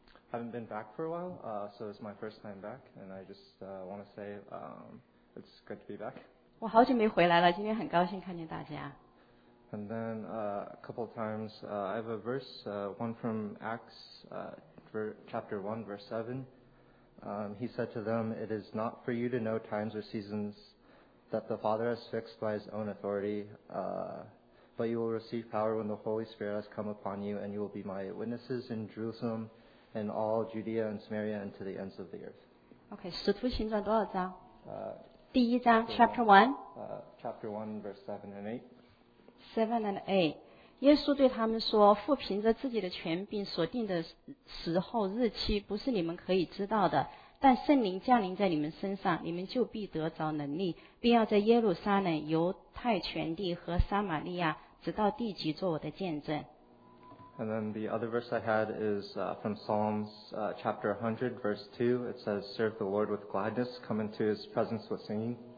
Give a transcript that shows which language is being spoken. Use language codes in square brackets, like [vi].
[en] Haven't been back for a while, so it's my first time back, and I just want to say it's good to be back. [zh] 我好久没回来了，今天很高兴看见大家。 [en] And then a couple of times, I have a verse, one from Acts, chapter 1, verse 7. He said to them, It is not for you to know times or seasons that the Father has fixed by his own authority, but you will receive power when the Holy Spirit has come upon you, and you will be my witnesses in Jerusalem and all Judea and Samaria and to the ends of the earth. [zh] Okay, 使徒行传多少章？第一章 [en] chapter 1. Chapter 1, verse 7 and 8. 7 and 8. [zh] 耶稣对他们说父凭着自己的权柄所定的时候日期不是你们可以知道的但圣灵降临在你们身上你们就必得着能力并要在耶路撒冷犹太全地和撒玛利亚直到地极做我的见证 [en] And then the other verse I had is from Psalms chapter 100 verse 2 It says serve the Lord with gladness come into his presence with singing